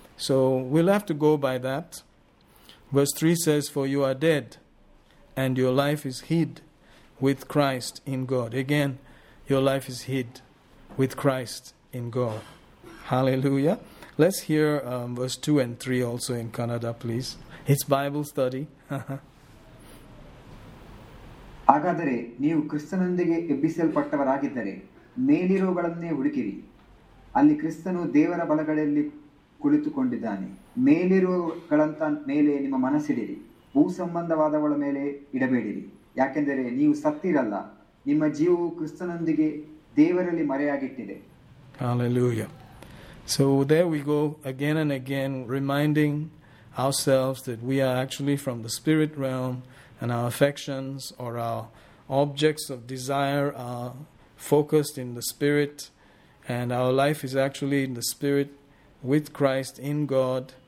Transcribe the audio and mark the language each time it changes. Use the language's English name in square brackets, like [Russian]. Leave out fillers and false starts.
[English] So we'll have to go by that. Verse 3 says, for you are dead, and your life is hid with Christ in God. Again, your life is hid with Christ in God. Hallelujah. Let's hear verse 2 and 3 also in Kannada, please. It's Bible study. [Kannada] ಹಾಗಾದರೆ ನೀವು ಕ್ರಿಸ್ತನೊಂದಿಗೆ ಎಬ್ಬಿಸಲ್ಪಟ್ಟವರಾಗಿದ್ದರೆ ಮೇಲಿರುವಗಳನ್ನೇ ಹುಡುಕಿರಿ. ಅಲ್ಲಿ ಕ್ರಿಸ್ತನು ದೇವರ ಬಲಗಳಲ್ಲಿ ಕುಳಿತುಕೊಂಡಿದ್ದಾನೆ. ಮೇಲಿರುವಗಳಂತ ಮೇಲೆ ನಿಮ್ಮ ಮನಸ್ಸಿಡಿರಿ, ಭೂ ಸಂಬಂಧವಾದವಳ ಮೇಲೆ ಇಡಬೇಡಿರಿ. ಯಾಕೆಂದರೆ ನೀವು ಸತ್ತಿರಲ್ಲ, ನಿಮ್ಮ ಜೀವವು ಕ್ರಿಸ್ತನೊಂದಿಗೆ ದೇವರಲ್ಲಿ ಮರೆಯಾಗಿಟ್ಟಿದೆ. [English] Hallelujah. So there we go again and again, reminding ourselves that we are actually from the spirit realm. And our affections or our objects of desire are focused in the spirit, and our life is actually in the spirit with Christ in God.